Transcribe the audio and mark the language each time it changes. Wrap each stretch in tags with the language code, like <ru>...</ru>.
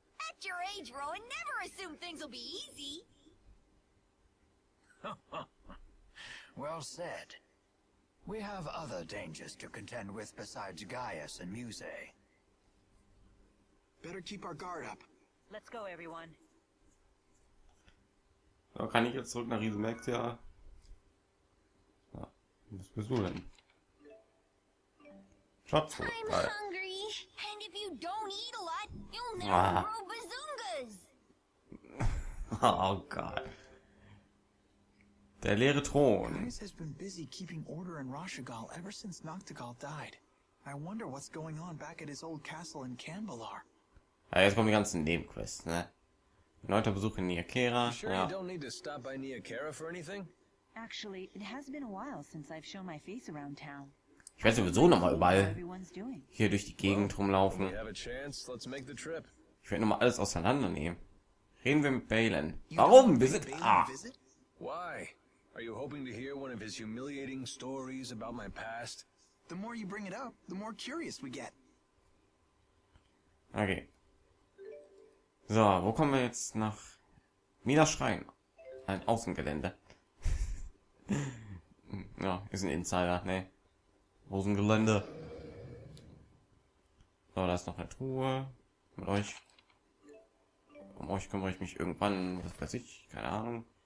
<en>At your age, Rowan, never assume things will be easy. Well said. We have other dangers to contend with besides Gaius and Musei. Better keep our guard up. Let's go, everyone.</en> <de>So, kann ich jetzt zurück nach Riesenmaxia? Ja, was bist du denn?</de> <en>I'm hungry. And if you don't eat a lot, you'll never grow bazoongas.</en> <de>Oh Gott. Der leere Thron.</de> <en>Gaius has been busy keeping order in Roshagal ever since Noctigal died. I wonder what's going on back at his old castle in Kanbalar.</en> <de>Ja, jetzt kommen die ganzen Nebenquests, ne? Neunter Besuch in Niakera.</de> <en>Sure, you don't need to stop by Niakera for anything? Actually, it has been a while since I've shown my face around town.</en> <de>Ich werde sowieso nochmal überall hier durch die Gegend rumlaufen. Ich werde nochmal alles auseinandernehmen. Reden wir mit Balin. Warum? Wir sind...</de> <en>Why? Are you hoping to hear one of his humiliating stories about my past? The more you bring it up, the more curious we get. Okay.</en> <de>So, wo kommen wir jetzt nach Minas Schrein? Ein Außengelände. Ja, ist ein Insider, ne? Außengelände. So, da ist noch eine Truhe. Mit euch. Um euch kümmere ich mich irgendwann, was weiß ich, keine Ahnung.</de>